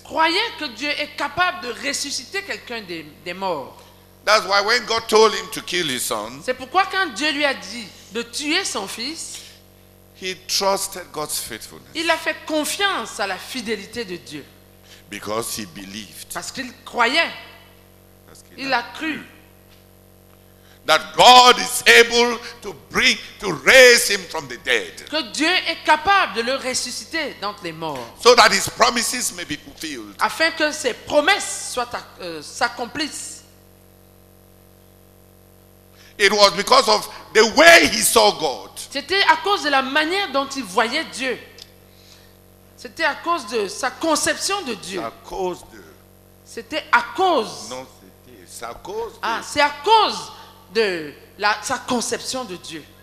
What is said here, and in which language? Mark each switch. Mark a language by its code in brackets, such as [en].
[fr] Croyait que Dieu est capable de ressusciter quelqu'un des morts. [en] That's why when God told him to kill his son, [fr] c'est pourquoi quand Dieu lui a dit de tuer son fils, [en] he trusted God's faithfulness. [fr] Il a fait confiance à la fidélité de Dieu. [en] Because he believed. [fr] Parce qu'il croyait. Il a cru. [en] That God is able to bring to raise him from the dead. [fr] Que Dieu est capable de le ressusciter d'entre les morts. [en] So that his promises may be fulfilled. [fr] Afin que ses promesses soient s'accomplissent. [en] It was because of the way he saw God. [fr] C'était à cause de la manière dont il voyait Dieu. C'était à cause de sa conception de Dieu. À cause de. C'était à cause. Non, c'était à cause. De. Ah, c'est à cause de sa conception de Dieu.